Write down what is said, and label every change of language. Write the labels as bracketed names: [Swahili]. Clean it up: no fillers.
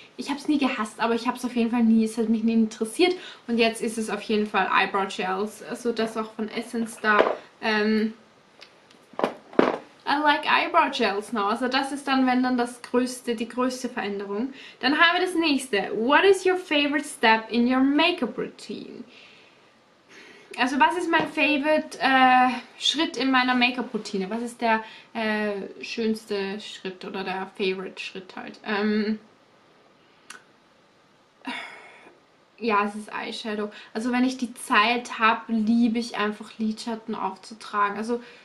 [German] Ich habe es nie gehasst, aber ich habe es auf jeden Fall nie. Es hat mich nie interessiert. Und jetzt ist es auf jeden Fall Eyebrow Gels. Also das auch von Essence da. [English] I like Eyebrow Gels now. [German] Also das ist dann, wenn dann das größte, die größte Veränderung. Dann haben wir das nächste. [English] What is your favorite step in your makeup routine? [German] Also was ist mein favorite Schritt in meiner Make-up Routine? Was ist der schönste Schritt oder der favorite Schritt halt? Ja, es ist Eyeshadow. Also wenn ich die Zeit habe, liebe ich einfach Lidschatten aufzutragen. Also